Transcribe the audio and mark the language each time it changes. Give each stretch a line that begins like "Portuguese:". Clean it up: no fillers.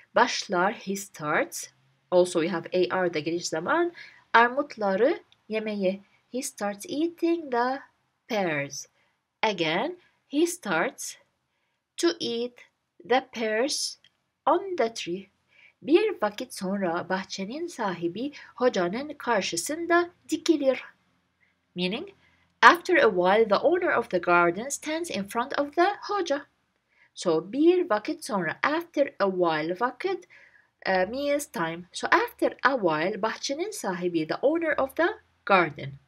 English: Başlar, he starts. Also, we have AR, the Giriş zaman.
Turkish: Armutları yemeye.
English: He starts eating the pears. Again, he starts to eat the pears on the tree.
Turkish: Bir vakit sonra bahçenin sahibi hocanın karşısında dikilir.
English: Meaning, after a while, the owner of the garden stands in front of the hoca. So,
Turkish: bir vakit sonra,
English: after a while, vakit means time. So, after a while,
Turkish: bahçenin sahibi,
English: the owner of the garden.